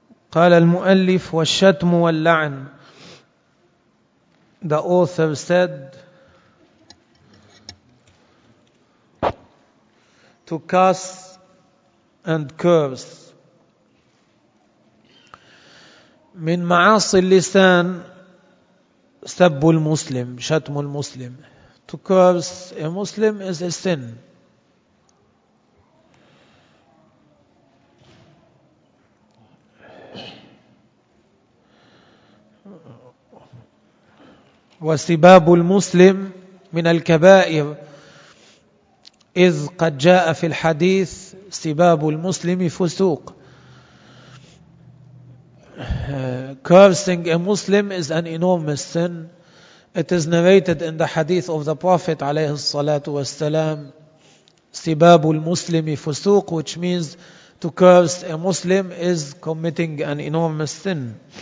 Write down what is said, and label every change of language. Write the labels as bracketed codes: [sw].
[ar] قال المؤلف والشتم واللعن. [en] The author said to cuss and curse. [ar] من معاصي اللسان سب المسلم, شتم المسلم. [en] To curse a Muslim is a sin. [ar] وسباب المسلم من الكبائر إذ قد جاء في الحديث سباب المسلم فسوق. [en] Cursing a Muslim is an enormous sin. It is narrated in the hadith of the Prophet [ar] عليه الصلاة والسلام سباب المسلم فسوق, [en] which means to curse a Muslim is committing an enormous sin.